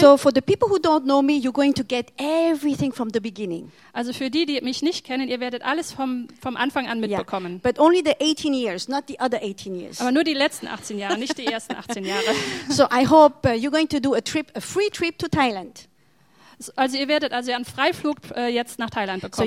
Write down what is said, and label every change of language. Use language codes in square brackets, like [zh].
[en] So for the people who don't know me, you're going to get everything from the beginning. [de] Also für die, die mich nicht kennen, ihr werdet alles vom Anfang an mitbekommen. [en] Yeah. But only the 18 years, not the other 18 years. [de] Aber nur die letzten 18 Jahre, nicht die ersten 18 Jahre. [en] So I hope you're going to do a free trip to Thailand. [de] Also ihr werdet also einen Freiflug jetzt nach Thailand bekommen.